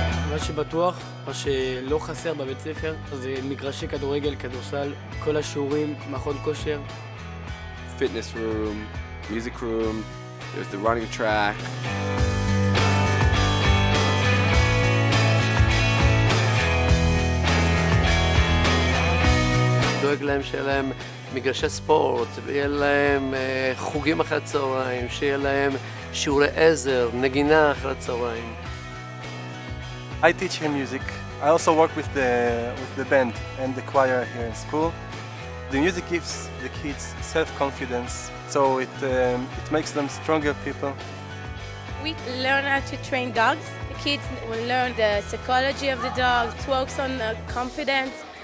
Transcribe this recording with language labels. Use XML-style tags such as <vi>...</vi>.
<he>מה שבטוח, מה שלא חסר בבית ספר, זה מגרשי כדורגל, כדורסל, כל השיעורים, מכון כושר.</he> <en>Fitness room, music room, there's the running track.</en> <he>דואג להם שיהיה להם מגרשי ספורט, יהיה להם חוגים אחרי הצהריים, שיהיה להם שיעורי עזר, נגינה אחרי הצהריים.</he> <en>I teach him music. I also work with the band and the choir here in school. The music gives the kids self-confidence, so it makes them stronger people. We learn how to train dogs. The kids will learn the psychology of the dog, talks on the confidence.</en>